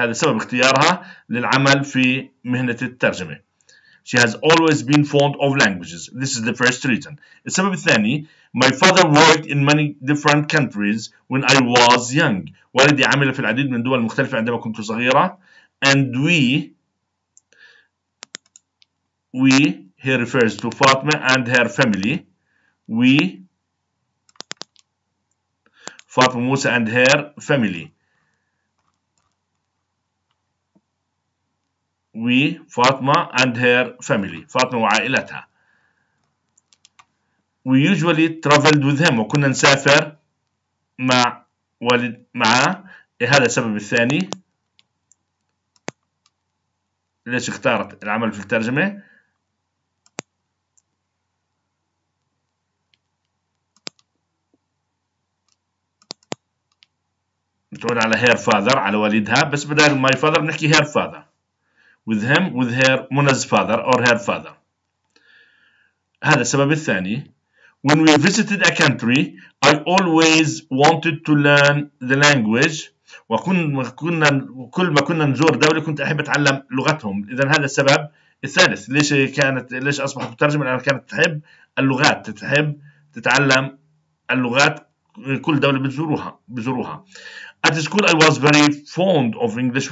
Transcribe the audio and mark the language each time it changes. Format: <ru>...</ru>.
<ar>هذا سبب اختيارها للعمل في مهنة الترجمة.</ar> <en>She has always been fond of languages. This is the first reason.</en> <ar>السبب الثاني</ar> <en>my father worked in many different countries when I was young.</en> <ar>والدي عمل في العديد من الدول المختلفة عندما كنت صغيرة.</ar> <en>And we, he refers to Fatma and her family. We, Fatma Musa and her family. We, Fatma and her family. Fatma</en> <ar>وعائلتها.</ar> <en>We usually traveled with him.</en> <ar>وكنا نسافر مع والد معه. هذا السبب الثاني. ليش اختارت العمل في الترجمة؟ بتعود على</ar> <en>her father على والدها بس بدل my father بنحكي her father</en> <ar>with him with her Muna's father or her father. هذا السبب الثاني.</ar> <en>When we visited a country I always wanted to learn the language.</en> <ar>وكل ما كنا نزور دولة كنت أحب أتعلم لغتهم. إذا هذا السبب الثالث. ليش أصبحت مترجمة؟ لأنها كانت تحب اللغات تتعلم اللغات كل دولة بتزوروها بزوروها.</ar> <en>At school I was very fond of English.</en>